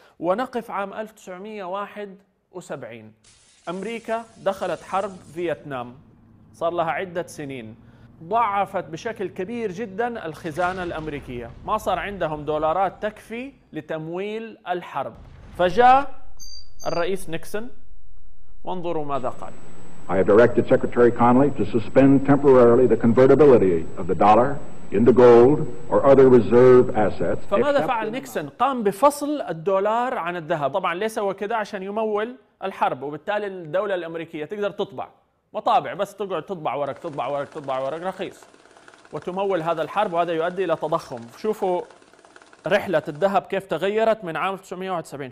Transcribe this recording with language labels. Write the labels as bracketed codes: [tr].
[ar] ونقف عام 1971، أمريكا دخلت حرب فيتنام، صار لها عدة سنين، ضعفت بشكل كبير جدا الخزانة الأمريكية، ما صار عندهم دولارات تكفي لتمويل الحرب. فجاء الرئيس نيكسون وانظروا ماذا قال. [en] I have directed Secretary Connally to suspend temporarily the convertibility of the dollar into gold or other reserve assets. [ar] فماذا فعل نيكسون؟ قام بفصل الدولار عن الذهب. طبعا ليس هو كذا عشان يمول الحرب، وبالتالي الدولة الأمريكية تقدر تطبع مطابع، بس تقعد تطبع ورق تطبع ورق تطبع ورق رخيص وتمول هذا الحرب، وهذا يؤدي إلى تضخم. شوفوا رحلة الذهب كيف تغيرت من عام 1971.